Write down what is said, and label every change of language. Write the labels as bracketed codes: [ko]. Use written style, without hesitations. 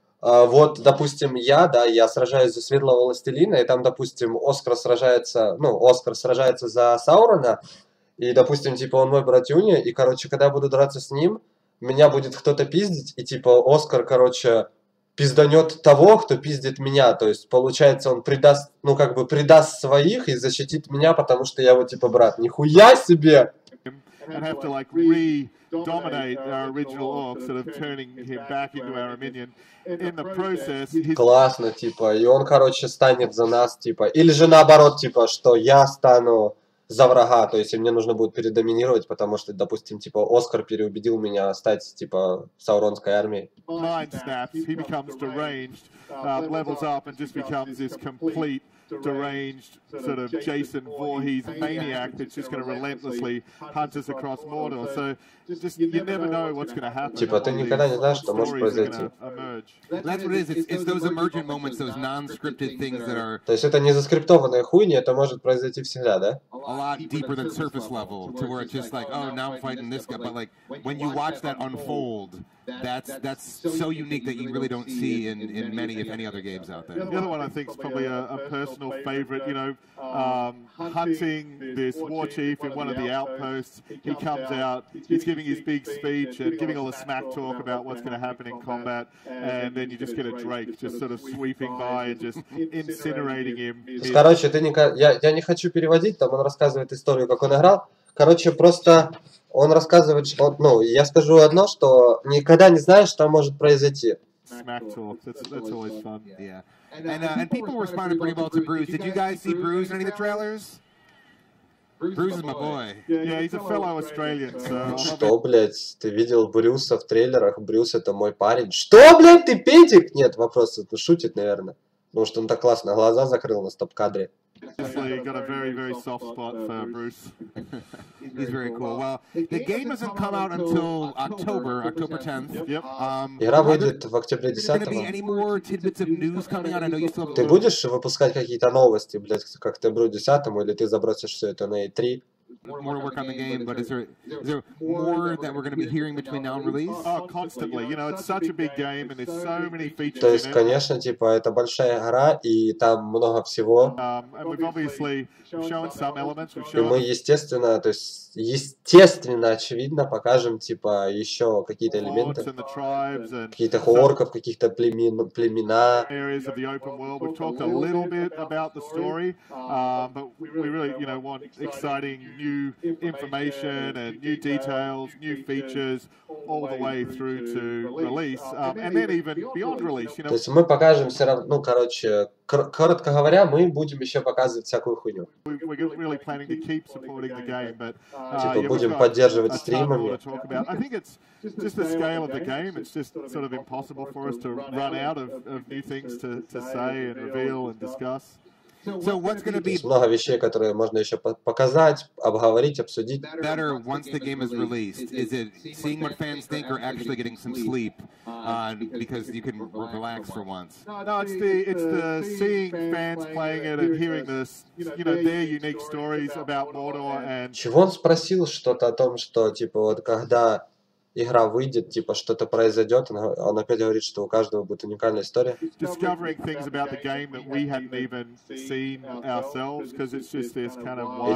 [ru] вот, допустим, я, да, я сражаюсь за Светлого Властелина, и там, допустим, Оскар сражается за Саурона, и, допустим, типа, он мой братюня, и, короче, когда я буду драться с ним, меня будет кто-то пиздить, и, типа, Оскар, короче, пизданет того, кто пиздит меня, то есть, получается, он предаст, ну, как бы, предаст своих и защитит меня, потому что я его, типа, брат. Нихуя себе! [en] And have to like re-dominate our original orc, sort of turning him back into our minion. In the process, he's... [ru] Классно, типа, и он, короче, станет за нас, типа, или же наоборот, типа, что я стану за врага, то есть мне нужно будет передоминировать, потому что, допустим, типа, Оскар переубедил меня стать, типа, Сауронской армией. [en] Mind snaps, he becomes deranged, levels up and just becomes this complete... deranged sort of Jason Voorhees maniac that's just going to relentlessly hunt us across Mordor. So just you never know what's going to happen. [ru] Типа ты никогда не знаешь, что может произойти. [en] That's what it is. It's those emergent moments, those non-scripted things that are. [ru] То есть это не заскриптованная хуйня, это может произойти всегда, да? [en] A lot deeper than surface level, to where it's just like, oh, now I'm fighting this guy, but like when you watch that unfold. That's so unique that you really don't see in many, if any, other games out there. The other one I think is probably a personal favorite, you know, hunting this war chief in one of the outposts. He comes out, he's giving his big speech and giving all the smack talk about what's going to happen in combat, and then you just get a Drake just sort of sweeping by and just incinerating him. [ru] Короче, я не хочу переводить, там он рассказывает историю, как он играл. Короче, просто он рассказывает, что, ну, я скажу одно, что никогда не знаешь, что может произойти. [en] Smack talk, that's always fun. Yeah. And people responded pretty well to Bruce. Did you guys see Bruce in any of the trailers? Bruce is my boy. Yeah, he's a fellow Australian, so... [ru] Что, блядь, ты видел Брюса в трейлерах? Брюс — это мой парень. Что, блядь, ты Петик? Нет, вопрос, это шутит, наверное. Потому что он так классно глаза закрыл на стоп-кадре. [en] Got a very, very soft spot for Bruce. He's very cool. Well, the game doesn't come out until October 10th. Yep. [ru] Игра выйдет в октябре 10-го. [en] Are there any more tidbits of news coming out? I know you still have... [ru] Ты будешь выпускать какие-то новости, блядь, к октябрю 10-му, или ты забросишь все это на E3? [en] More work on the game, but is there more that we're going to be hearing between now and release? Oh, constantly. You know, it's such a big game, and there's so many features. [ru] То есть, конечно, типа это большая игра, и там много всего. [en] And we've obviously shown some elements. [ru] И мы естественно, то есть естественно, очевидно, покажем типа еще какие-то элементы, какие-то орков, каких-то племена. [en] Areas of the open world. We've talked a little bit about the story, but We really, you know, want exciting new information and new details, new features all the way through to release, and then even beyond release, you know. [ru] То есть мы покажем все равно, ну, короче, коротко говоря, мы будем еще показывать всякую хуйню. [en] We're really planning to keep supporting the game, but [ru] типа будем поддерживать стримами. [en] I think it's just the scale of the game. It's just sort of impossible for us to run out of new things to say and reveal and discuss. So what's going to be [ru] много вещей, которые можно еще показать, обговорить, обсудить. [en] Better once the game is released. Is it seeing what fans think or actually getting some sleep because you can relax for once? No, it's the seeing fans playing it and hearing this, you know, their unique stories about Mordor and. [ru] Чего он спросил что-то о том, что типа вот когда игра выйдет, типа что-то произойдет, он опять говорит, что у каждого будет уникальная история. [en] Discovering things about the game that we hadn't even seen ourselves, because it's just this kind of wild.